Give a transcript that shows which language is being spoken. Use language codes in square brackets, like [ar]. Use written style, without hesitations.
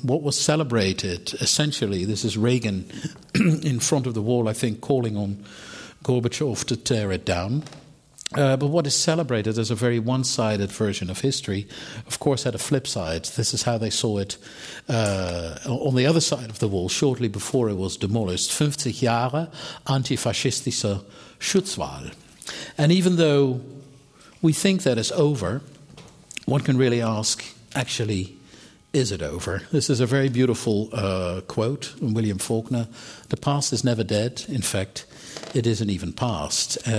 [en] What was celebrated, essentially, this is Reagan in front of the wall, I think, calling on Gorbachev to tear it down. But what is celebrated as a very one-sided version of history, of course, had a flip side. This is how they saw it on the other side of the wall, shortly before it was demolished. [de] 50 Jahre antifaschistische Schutzwall. [en] And even though we think that is over, one can really ask, actually, is it over? This is a very beautiful quote from William Faulkner. The past is never dead. In fact, it isn't even past.